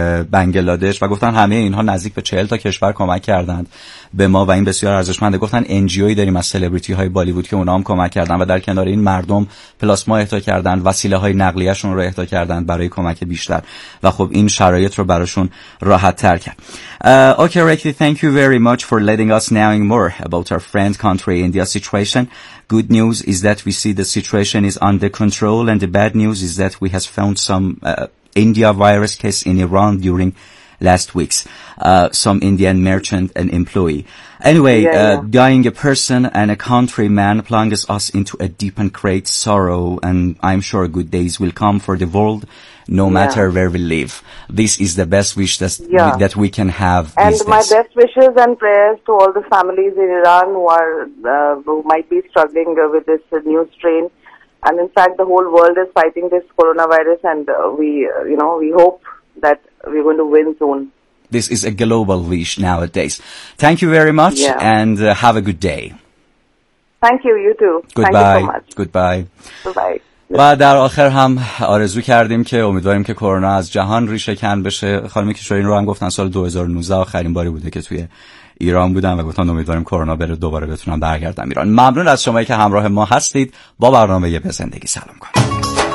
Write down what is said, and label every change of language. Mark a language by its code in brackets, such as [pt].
[fa] بنگلادش و گفتن همه اینها نزدیک به 40 تا کشور کمک کردند به ما و این بسیار ارزشمنده. گفتن ان جی اوی داریم از سلبریتی های بالیوود که اونا هم کمک کردند و در کنار این مردم پلاسما اهدا کردند، وسیله های نقلیه شون رو اهدا کردند برای کمک بیشتر و خب این شرایط رو براشون راحت تر کرد. [en] Okay, Rekti, thank you very much for letting us knowing more about our friend country India situation. Good news is that we see the situation is under control, and the bad news is that we has found some India virus case in Iran during last week's some Indian merchant and employee. Anyway, dying a person and a countryman plunges us into a deep and great sorrow, and I'm sure good days will come for the world, no matter where we live. This is the best wish that we can have. And my best wishes and prayers to all the families in Iran who are who might be struggling with this new strain. And in fact, the whole world is fighting this coronavirus, and we hope that we're going to win soon. This is a global wish nowadays. Thank you very much, and have a good day. Thank you. You too. Goodbye. Thank you so much. Goodbye. Bye. [fa] و در آخر هم آرزو کردیم که امیدواریم که کرونا از جهان ریشه کن بشه. خانمی که شورین رو هم گفتن سال 2019 آخرین باری بوده که توی ایران بودن و گفتن امیدواریم کرونا بره دوباره بتونم برگردم ایران. ممنون از شمایی که همراه ما هستید با برنامه یه به زندگی. سلام کنید.